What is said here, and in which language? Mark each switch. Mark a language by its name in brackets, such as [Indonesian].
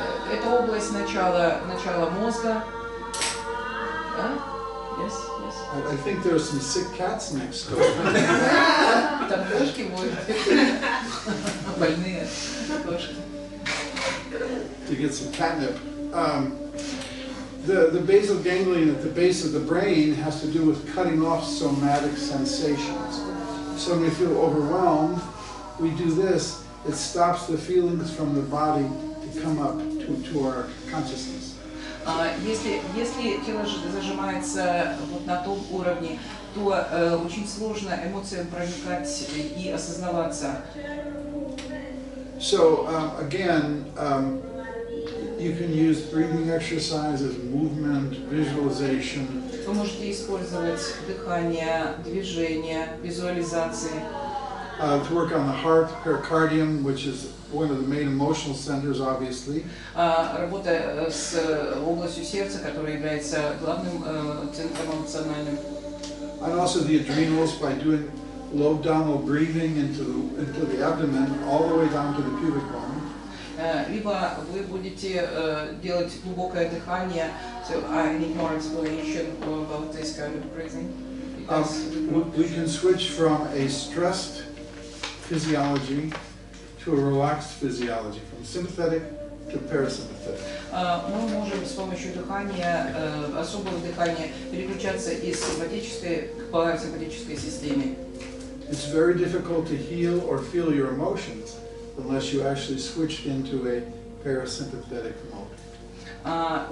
[Russian] Это область начала мозга. [English] Yes, yes. I think there are some sick cats next door. [Russian] Там кошки будут. Больные кошки. [English] To get some catnip. The basal ganglion at the base of the brain has to do with cutting off somatic sensations. So when we feel overwhelmed, we do this, it stops the feelings from the body to come up to our consciousness. [Russian] Если тело зажимается вот на том уровне, то очень сложно эмоциям проникать и осознаваться. [English] So again, you can use breathing exercises, movement, visualization. [Russian] Вы можете использовать дыхание, движение, визуализации. [English] To work on the heart, pericardium, which is one of the main emotional centers, obviously. [Russian] Работа с областью сердца, которая является главным центром эмоциональным. [English] And also the adrenals by doing low abdominal breathing into the abdomen, all the way down to the pubic bone. [Russian] Либо вы будете делать глубокое дыхание. [English] So I need more explanation about this kind of breathing. We can switch from a stressed physiology to a relaxed physiology, from sympathetic to parasympathetic. [Russian] Мы можем с помощью дыхания, особого дыхания, переключаться из симпатической к парасимпатической системе. [English] It's very difficult to heal or feel your emotions unless you actually switch into a parasympathetic mode.